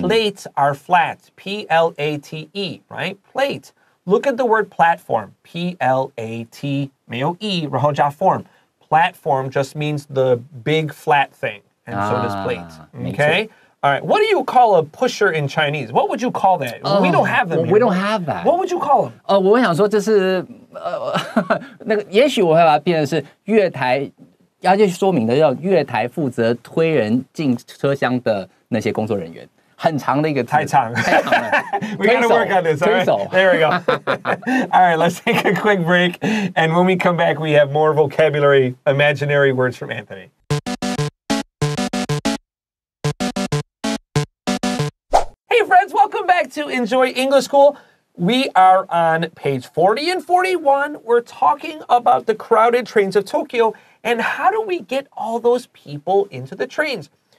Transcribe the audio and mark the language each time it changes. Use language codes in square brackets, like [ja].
[en] Plates are flat. P-L-A-T-E, right? Plate. Look at the word platform. P-L-A-T, [zh] 没有 [en] E, [zh] 然后加 [en] form. Platform just means the big flat thing. And so does plate. Okay? All right. What do you call a pusher in Chinese? What would you call that? We don't have them. We don't have that. What would you call them? [zh] 我想说这是、那个、也许我会把它变成是月台要去说明的要月台负责推人进车厢的那些工作人员很长的一个字太长了 [en] We gotta work on this [zh] 推手 [en] There we go Alright, let's take a quick break and when we come back we have more vocabulary imaginary words from Antony Hey friends, welcome back to Enjoy English School We are on page 40 and 41 We're talking about the crowded trains of TokyoAnd how do we get all those people into the trains?